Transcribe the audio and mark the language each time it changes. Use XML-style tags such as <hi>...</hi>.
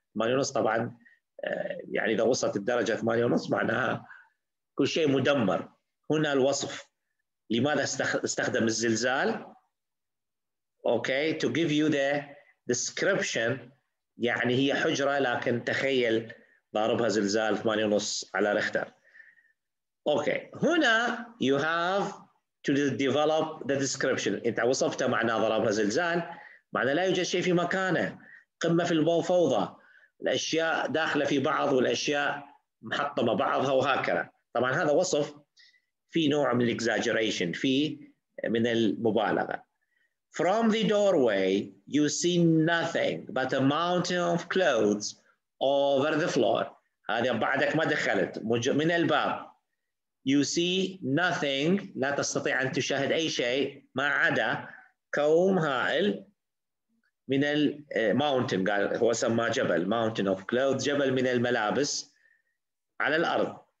<ar>8.5 طبعا يعني إذا وصلت الدرجة 8.5 معناها كل شيء مدمر. هنا الوصف لماذا استخدم الزلزال؟</ar> <en>Okay, to give you the description.</en> <ar>يعني هي حجرة لكن تخيل ضربها زلزال 8.5 على ريختر.</ar> <en>Okay, هنا you have to develop the description.</en> <ar>انت وصفته معناه ضربها زلزال، معناه لا يوجد شيء في مكانه، قمة في الفوضى، الأشياء داخلة في بعض والأشياء محطمة بعضها وهكذا. طبعا هذا وصف في نوع من الإكزاجريشن، في من المبالغة.</ar> <en>From the doorway, you see nothing but a mountain of clothes over the floor.</en> <ar>هذه بعدك ما دخلت من الباب.</ar> <en>You see nothing,</en> <ar>لا تستطيع أن تشاهد أي شيء ما عدا كوم هائل من ال mountain. قال هو سماه جبل.</ar> <en>Mountain of clothes,</en> <ar>جبل من الملابس على الأرض.</ar>